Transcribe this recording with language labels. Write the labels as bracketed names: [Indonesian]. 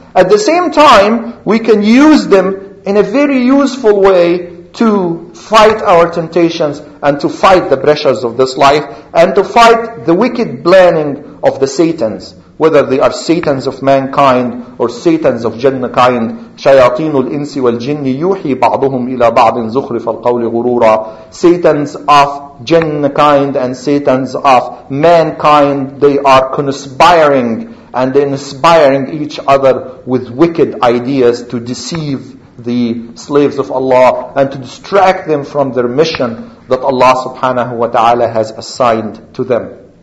[English] At the same time, we can use them in a very useful way to fight our temptations and to fight the pressures of this life and to fight the wicked planning of the Satans, whether they are Satans of mankind or Satans of Jannah kind. [Arabic] شياطين الإنس والجن يوحي بعضهم إلى بعض زخرف القول غرورا. [English] Satans of Jinn kind and Satans of mankind, they are conspiring and inspiring each other with wicked ideas to deceive the slaves of Allah and to distract them from their mission that Allah subhanahu wa ta'ala has assigned to them.